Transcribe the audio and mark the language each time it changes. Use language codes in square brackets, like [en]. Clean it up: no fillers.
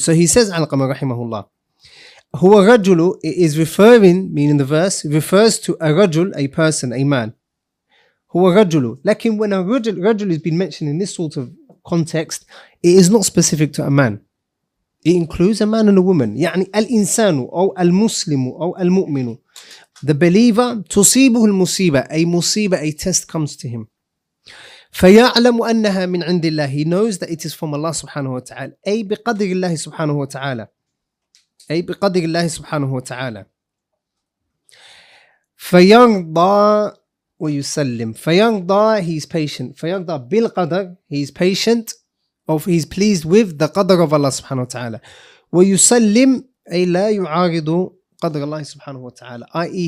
[en] So he says, Al-Qamar rahimahullah, huwa rajulu, it is referring, meaning the verse, refers to a rajul, a person, a man. Huwa rajulu, lakin, when a rajul has been mentioned in this sort of context, it is not specific to a man. It includes a man and a woman. [ar] يعني الإنسان أو المسلم أو المؤمن, the believer, تصيبه المصيبة, a مصيبة, a test comes to him. فيعلم أنها من عند الله, he knows that it is from Allah سبحانه وتعالى, أي بقدر الله سبحانه وتعالى, أي بقدر الله سبحانه وتعالى. [en] فيرضى ويسلم, فيرضى, he is patient, فيرضى بالقدر, he is patient, of he's pleased with the qadr of Allah subhanahu wa ta'ala. [ar] وَيُسَلِّمْ أَيْ لَا يُعَارِضُ قَدْرَ اللَّهِ سُبْحَانَهُ وَتَعَالَى, i.e.